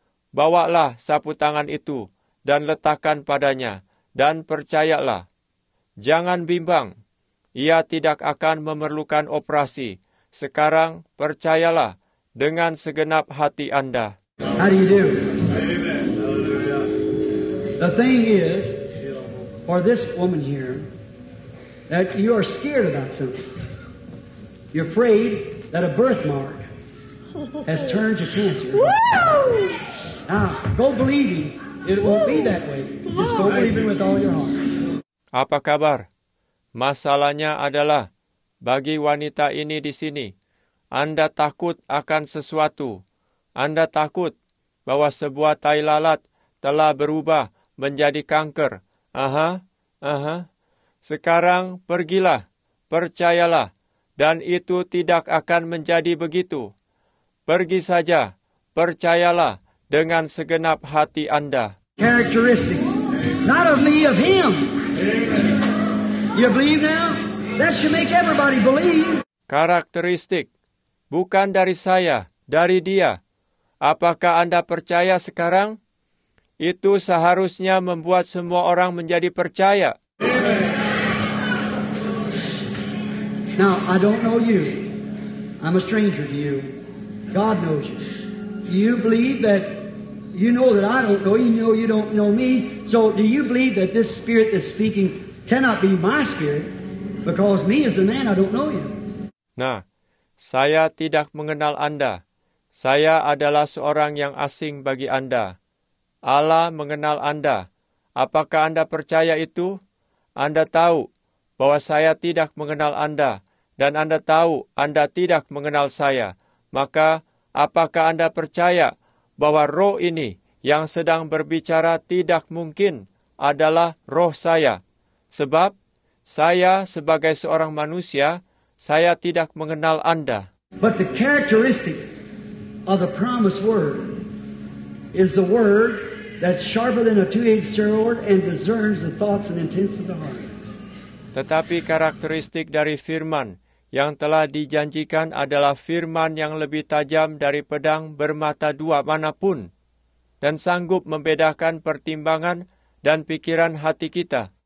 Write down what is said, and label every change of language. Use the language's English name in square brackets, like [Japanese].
[Indonesian] Bawalah sapu tangan itu dan letakkan padanya. Dan percayalah, jangan bimbang, ia tidak akan memerlukan operasi. Sekarang percayalah dengan segenap hati Anda. [English] How do you do? Amen. Hallelujah. The thing is, for this woman here, that you are scared about something. You're afraid that a birthmark has turned to cancer. Woo! Now, go believe you. It won't be that way. Just go believe it with all your heart. [Indonesian] Apa kabar? Masalahnya adalah bagi wanita ini di sini, Anda takut akan sesuatu. Anda takut bahwa sebuah tai lalat telah berubah menjadi kanker. Aha. Sekarang pergilah, percayalah, dan itu tidak akan menjadi begitu. Pergi saja, percayalah dengan segenap hati Anda. [English] Characteristics. Not of me, of him. Amen. You believe now? That should make everybody believe. [Indonesian] Karakteristik. Bukan dari saya, dari dia. Apakah Anda percaya sekarang? Itu seharusnya membuat semua orang menjadi percaya. [English] Amen. Now, I don't know you. I'm a stranger to you. God knows you. Do you believe that? You know that I don't know you. You know you don't know me. So do you believe that this spirit that's speaking cannot be my spirit? Because me as a man, I don't know you. [Indonesian] Nah, saya tidak mengenal Anda. Saya adalah seorang yang asing bagi Anda. Allah mengenal Anda. Apakah Anda percaya itu? Anda tahu bahwa saya tidak mengenal Anda, dan Anda tahu Anda tidak mengenal saya. Maka, apakah Anda percaya bahwa roh ini yang sedang berbicara tidak mungkin adalah roh saya? Sebab, saya sebagai seorang manusia, saya tidak mengenal Anda. [English] But the characteristic of the promised word is the word that's sharper than a two-edged sword and discerns the thoughts and intents of the heart. [Indonesian] Tetapi karakteristik dari firman yang telah dijanjikan adalah firman yang lebih tajam dari pedang bermata dua manapun dan sanggup membedakan pertimbangan dan pikiran hati kita.